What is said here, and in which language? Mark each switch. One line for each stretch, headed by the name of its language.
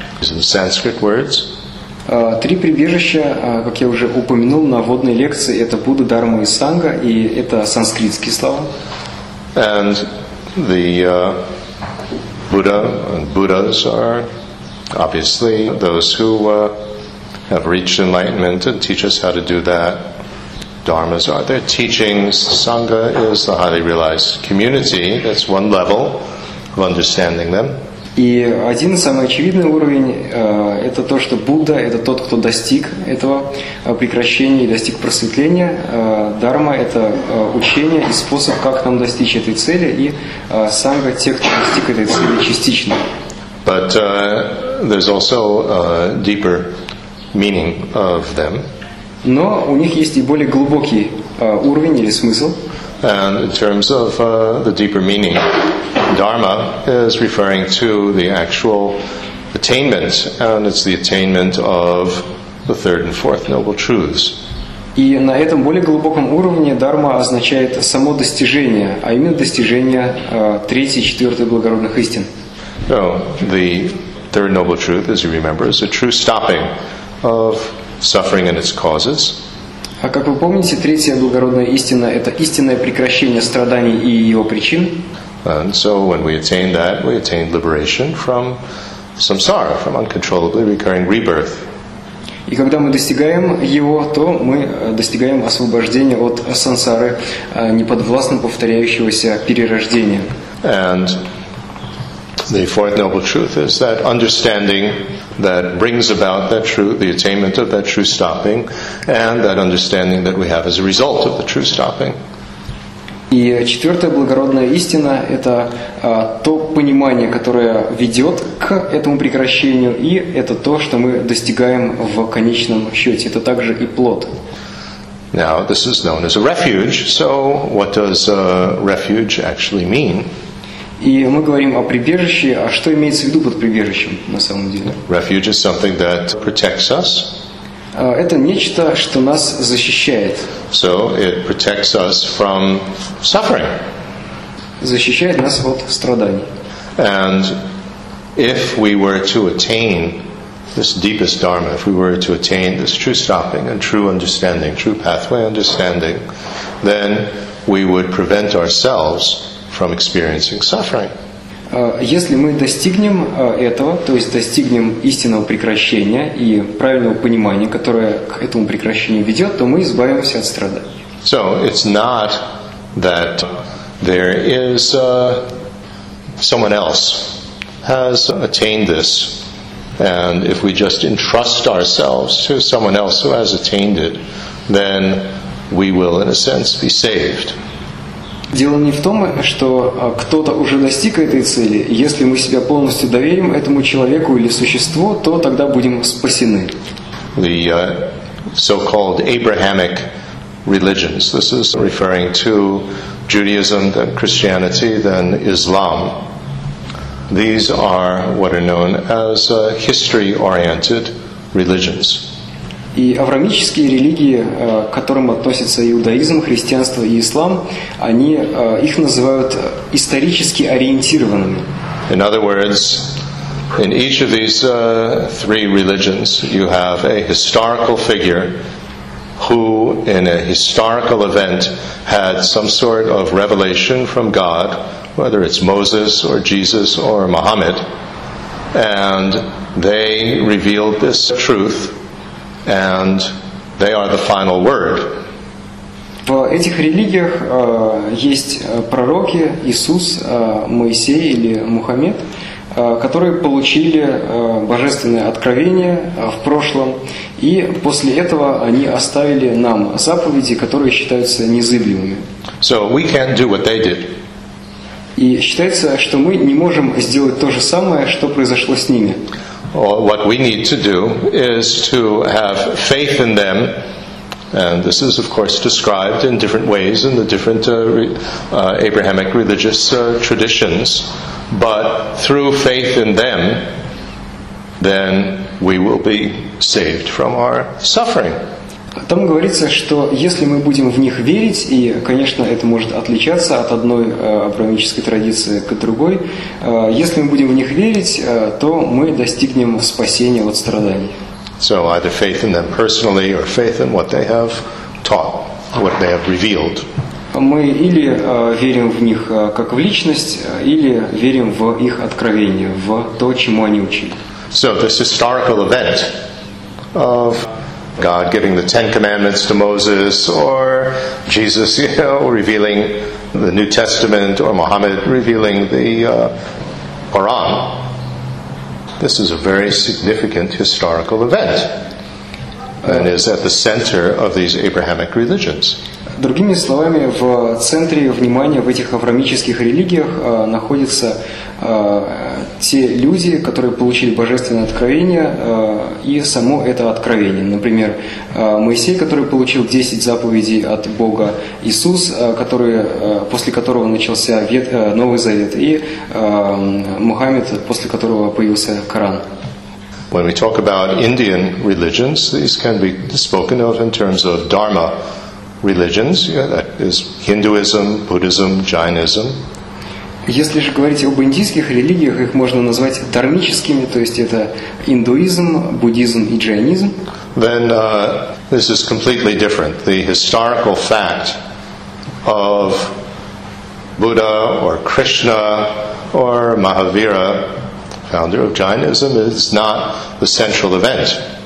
English: in Sanskrit words.
Russian: Три прибежища, как я уже упомянул на вводной лекции, это Будда, Дарма и Санга, и это санскритские слова.
English: And the Buddha and Buddhas are obviously those who have reached enlightenment and teach us how to do that. Dharmas are their teachings. Sangha is the highly realized community. That's one level of understanding them.
Russian: И один самый очевидный уровень – это то, что Будда – это тот, кто достиг этого прекращения и достиг просветления. Дхарма – это учение и способ, как нам достичь этой цели, и Сангха – те, кто достиг этой цели частично.
English: But there's also a deeper meaning of them.
Russian: Но у них есть и более глубокий уровень или смысл.
English: And in terms of the deeper meaning, Dharma is referring to the actual attainment, and it's the attainment of the third and fourth noble truths.
Russian: И на этом более глубоком уровне Дхарма означает само достижение, а именно достижение третьей, четвертой благородных истин.
English: So, the third noble truth, as you remember, is a true stopping of suffering and its causes.
Russian: А как вы помните, третья благородная истина – это истинное прекращение страданий и его причин.
English: And so when we attain that, we attain liberation from samsara, from uncontrollably recurring rebirth.
Russian: И когда мы достигаем его, то мы достигаем освобождения от сансары, неподвластно повторяющегося перерождения.
English: And the fourth noble truth is that understanding that brings about that truth, the attainment of that true stopping, and that understanding that we have as a result of the true stopping.
Russian: И четвертая благородная истина – это то понимание, которое ведет к этому прекращению, и это то, что мы достигаем в конечном счете. Это также и плод.
English: Now, this is known as a refuge. So, what does refuge actually mean?
Russian: И мы говорим о прибежище. А что имеется в виду под прибежищем на самом деле?
English: Refuge is something that protects us.
Russian: Это нечто, что нас защищает.
English: So it protects us from suffering.
Russian: Защищает нас от страданий.
English: And if we were to attain this deepest dharma, if we were to attain this true stopping and true understanding, true pathway understanding, then we would prevent ourselves from experiencing suffering.
Russian: Если мы достигнем этого, то есть достигнем истинного прекращения и правильного понимания, которое к этому прекращению ведет, то мы избавимся от страданий.
English: So it's not that there is someone else has attained this, and if we just entrust ourselves to someone else who has attained it, then we will, in a sense, be saved.
Russian: Дело не в том, что кто-то уже достиг этой цели. Если мы себя полностью доверим этому человеку или существу, то тогда будем спасены.
English: The so-called Abrahamic religions. This is referring to Judaism, then Christianity, then Islam. These are what are known as history-oriented religions.
Russian: И авраамические религии, к которым относятся иудаизм, христианство и ислам, они их называют исторически ориентированными.
English: In other words, in each of these three religions, you have a historical figure who, in a historical event, had some sort of revelation from God, whether it's Moses or Jesus or Muhammad, and they revealed this truth. And they are the final word.
Russian: В этих религиях есть пророки, Иисус, Моисей или Мухаммед, которые получили божественное откровение в прошлом, и после этого они оставили нам заповеди, которые считаются незыблемыми.
English: So we can't do what they did.
Russian: И считается, что мы не можем сделать то же самое, что произошло с ними.
English: What we need to do is to have faith in them, and this is, of course, described in different ways in the different Abrahamic religious traditions, but through faith in them, then we will be saved from our suffering.
Russian: Там говорится, что если мы будем в них верить, и, конечно, это может отличаться от одной абрамической традиции к другой, если мы будем в них верить, то мы достигнем спасения от страданий.
English: So either faith in them personally or faith in what they have taught, what they have revealed.
Russian: Мы или верим в них как в личность, или верим в их откровение, в то, чему они учили.
English: So this historical event of God giving the Ten Commandments to Moses, or Jesus, you know, revealing the New Testament, or Muhammad revealing the Quran. This is a very significant historical event, and is at the center of these Abrahamic religions.
Russian: Другими словами, в центре внимания в этих авраамических религиях находятся те люди, которые получили божественное откровение и само это откровение. Например, Моисей, который получил 10 заповедей от Бога, Иисус, после которого начался Новый Завет, и Мухаммед, после которого появился Коран.
English: When we talk about Indian religions, these can be spoken of in terms of dharma religions, yeah, that is Hinduism, Buddhism, Jainism.
Russian: Если же говорить об индийских религиях, их можно назвать дармическими, то есть это индуизм, буддизм и джайнизм.
English: Then this is completely different. The historical fact of Buddha or Krishna or Mahavira, founder of Jainism, is not the central event.